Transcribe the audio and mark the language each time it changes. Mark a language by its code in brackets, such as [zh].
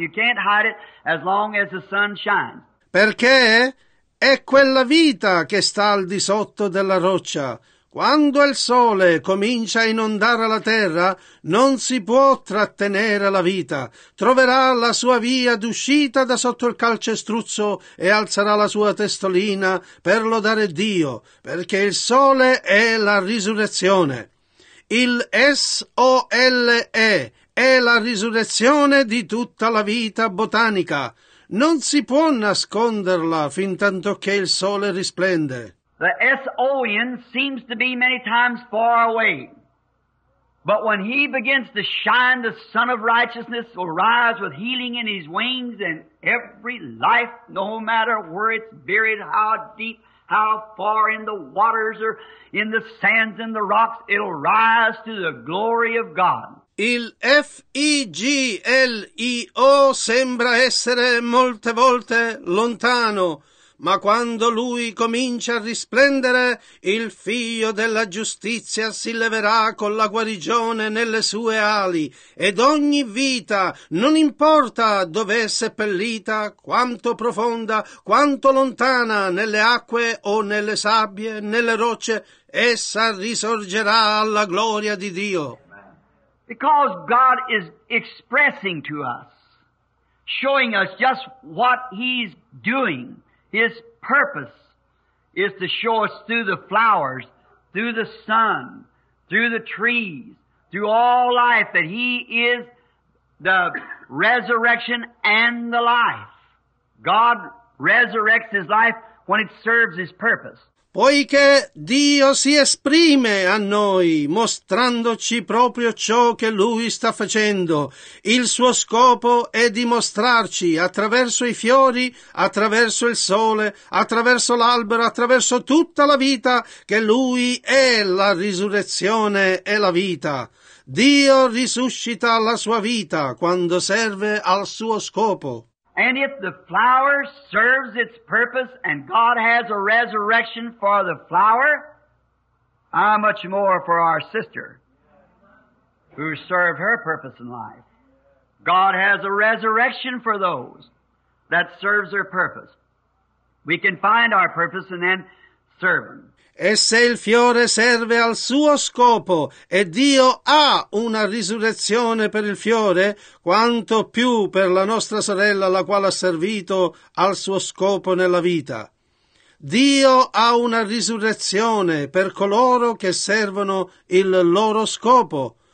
[en] You can't hide it as long as the sun shines. [it] Perché è quella vita che sta al di sotto della roccia. Quando il sole comincia a inondare la terra, non si può trattenere la vita. Troverà la sua via d'uscita da sotto il calcestruzzo e alzerà la sua testolina per lodare Dio, perché il sole è la risurrezione. Il S-O-L-E è la risurrezione di tutta la vita botanica. Non si può nasconderla fin tanto che il sole risplende. [en] The S-O-N seems to be many times far away. But when He begins to shine, the Sun of Righteousness will rise with healing in His wings, and every life, no matter where it's buried, how deep, how far in the waters or in the sands and the rocks, it'll rise to the glory of God. [it] Il figlio sembra essere molte volte lontano, ma quando lui comincia a risplendere, il figlio della giustizia si leverà con la guarigione nelle sue ali, ed ogni vita, non importa dov'è seppellita, quanto profonda, quanto lontana, nelle acque o nelle sabbie, nelle rocce, essa risorgerà alla gloria di Dio. [en] Because God is expressing to us, showing us just what He's doing. His purpose is to show us through the flowers, through the sun, through the trees, through all life, that He is the resurrection and the life. God resurrects His life when it serves His purpose. [it] Poiché Dio si esprime a noi, mostrandoci proprio ciò che Lui sta facendo. Il suo scopo è dimostrarci attraverso i fiori, attraverso il sole, attraverso l'albero, attraverso tutta la vita, che Lui è la risurrezione e la vita. Dio risuscita la sua vita quando serve al suo scopo. [en] And if the flower serves its purpose and God has a resurrection for the flower, how much more for our sister who served her purpose in life? God has a resurrection for those that serves their purpose. We can find our purpose and then serve them. [it] E se il fiore serve al suo scopo e Dio ha una risurrezione per il fiore, quanto più per la nostra sorella la quale ha servito al suo scopo nella vita. Dio ha una risurrezione per coloro che servono il loro scopo.